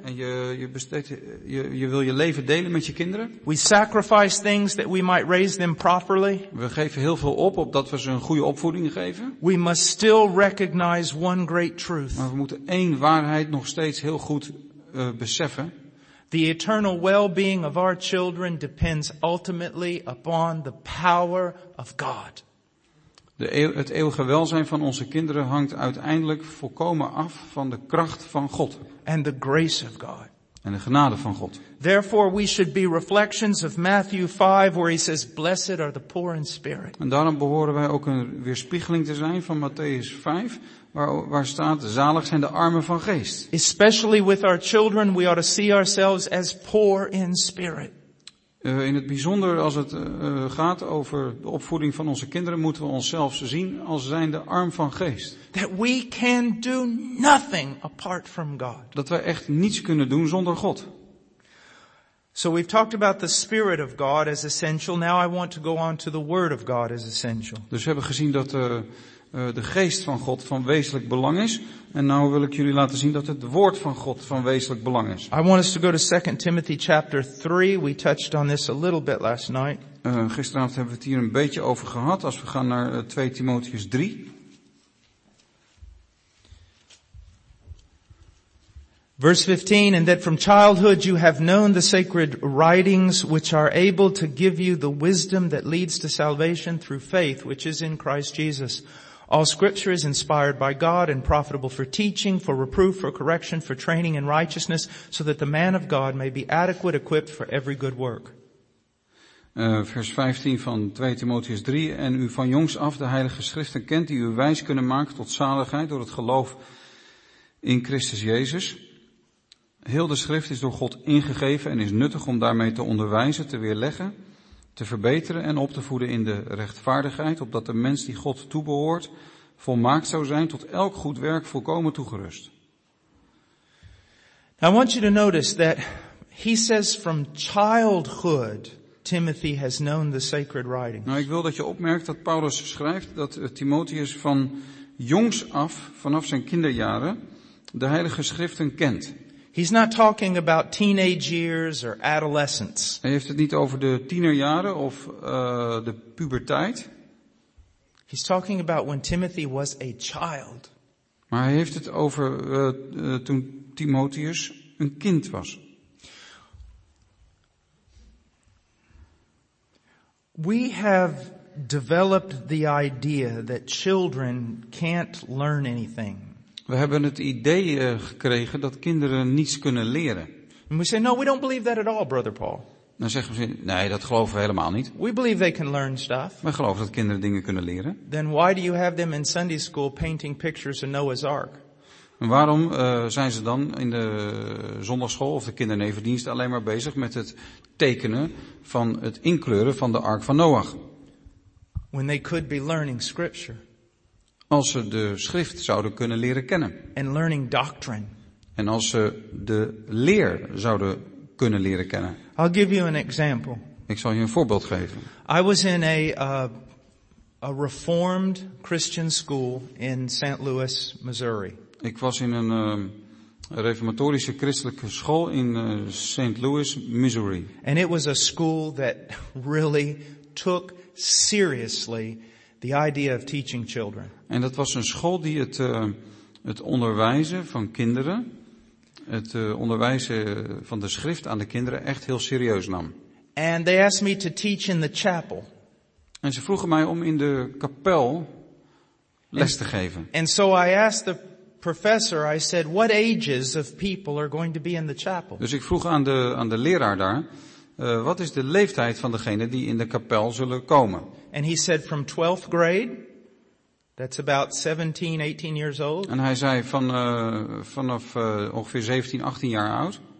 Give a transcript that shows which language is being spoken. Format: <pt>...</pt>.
<nl>En je wil je leven delen met je kinderen.</nl> <en>We sacrifice things that we might raise them properly.</en> <nl>We geven heel veel op opdat we ze een goede opvoeding geven.</nl> <en>We must still recognize one great truth.</en> <nl>Maar we moeten één waarheid nog steeds heel goed beseffen.</nl> <en>The eternal well-being of our children depends ultimately upon the power of God.</en> <nl>Het eeuwige welzijn van onze kinderen hangt uiteindelijk volkomen af van de kracht van God.</nl> <en>And the grace of God.</en> <nl>En de genade van God.</nl> <en>Therefore we should be reflections of Matthew 5 where he says blessed are the poor in spirit.</en> <nl>En daarom behoren wij ook een weerspiegeling te zijn van Matthäus 5 waar staat zalig zijn de armen van geest.</nl> <en>Especially with our children we ought to see ourselves as poor in spirit.</en> <nl>In het bijzonder als het gaat over de opvoeding van onze kinderen moeten we onszelf zien als zijnde arm van geest.</nl> <en>That we can do nothing apart from God.</en> <nl>Dat wij echt niets kunnen doen zonder God.</nl> <en>So we've talked about the Spirit of God as essential. Now I want to go on to the Word of God as essential.</en> <nl>Dus we hebben gezien dat de geest van God van wezenlijk belang is. En nou wil ik jullie laten zien dat het woord van God van wezenlijk belang is.</nl> <en>I want us to go to 2 Timothy chapter 3. We touched on this a little bit last night.</en> <nl>Gisteravond hebben we het hier een beetje over gehad. Als we gaan naar 2 Timotheus 3.</nl> <en>Verse 15, and that from childhood you have known the sacred writings which are able to give you the wisdom that leads to salvation through faith which is in Christ Jesus. All scripture is inspired by God and profitable for teaching, for reproof, for correction, for training in righteousness, so that the man of God may be adequate, equipped for every good work.</en> <nl>Vers 15 van 2 Timotheus 3. En u van jongs af de heilige schriften kent die u wijs kunnen maken tot zaligheid door het geloof in Christus Jezus. Heel de schrift is door God ingegeven en is nuttig om daarmee te onderwijzen, te weerleggen, te verbeteren en op te voeden in de rechtvaardigheid, opdat de mens die God toebehoort, volmaakt zou zijn tot elk goed werk volkomen toegerust.</nl> <en>Now I want you to notice that he says from childhood Timothy has known the sacred writings.</en> <nl>Nou, ik wil dat je opmerkt dat Paulus schrijft dat Timotheus van jongs af, vanaf zijn kinderjaren, de heilige schriften kent.</nl> <en>He's not talking about teenage years or adolescence.</en> <nl>Hij heeft het niet over de tienerjaren of de puberteit.</nl> <en>He's talking about when Timothy was a child.</en> <nl>Maar hij heeft het over toen Timotheus een kind was.</nl> <en>We have developed the idea that children can't learn anything.</en> <nl>We hebben het idee gekregen dat kinderen niets kunnen leren.</nl> <en>And we say, no, we don't believe that at all, brother Paul.</en> <nl>Dan zeggen ze, nee, dat geloven we helemaal niet.</nl> <en>We believe they can learn stuff.</en> <nl>We geloven dat kinderen dingen kunnen leren.</nl> <en>Then why do you have them in Sunday school painting pictures of Noah's Ark?</en> <nl>En waarom zijn ze dan in de zondagschool of de kindernevendienst alleen maar bezig met het tekenen van het inkleuren van de Ark van Noach?</nl> <en>When they could be learning scripture.</en> <nl>Als ze de schrift zouden kunnen leren kennen.</nl> <en>And learning doctrine.</en> <nl>En als ze de leer zouden kunnen leren kennen.</nl> <en>I'll give you an example.</en> <nl>Ik zal je een voorbeeld geven.</nl> <en>I was in a reformed Christian school in St. Louis, Missouri.</en> <nl>Ik was in een reformatorische christelijke school in St. Louis, Missouri.</nl> <en>And it was a school that really took seriously the idea of teaching children.</en> <nl>En dat was een school die het onderwijzen van kinderen, het onderwijzen van de schrift aan de kinderen echt heel serieus nam.</nl> <en>And they asked me to teach in the chapel.</en> <nl>En ze vroegen mij om in de kapel les te geven.</nl> <en>And so I asked the professor, I said, what ages of people are going to be in the chapel?</en> <nl>Dus ik vroeg aan de leraar daar, wat is de leeftijd van degene die in de kapel zullen komen?</nl> <en>And he said from 12th grade, that's about 17, 18 years old.</en> <nl>En hij zei vanaf ongeveer 17, 18 jaar oud.</nl>